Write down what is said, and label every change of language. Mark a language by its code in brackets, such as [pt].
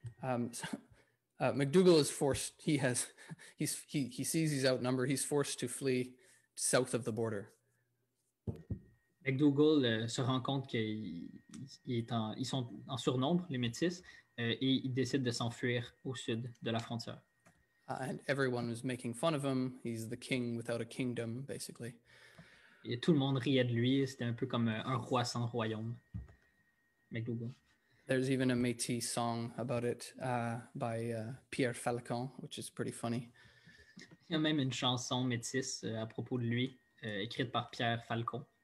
[en] McDougall is forced, he sees he's outnumbered, he's forced to flee south of the border. [fr] McDougall se rend compte qu'ils sont en surnombre, les Métis, et ils décident de s'enfuir au sud de la frontière. [en] And everyone was making fun of him, he's the king without a kingdom, basically. [fr] Et tout le monde riait de lui, c'était un peu comme un roi sans royaume, McDougall. [en] There's even a Métis song about it by Pierre Falcon, which is pretty funny. [fr] Il y a même une chanson Métis à propos de lui, écrite par Pierre Falcon.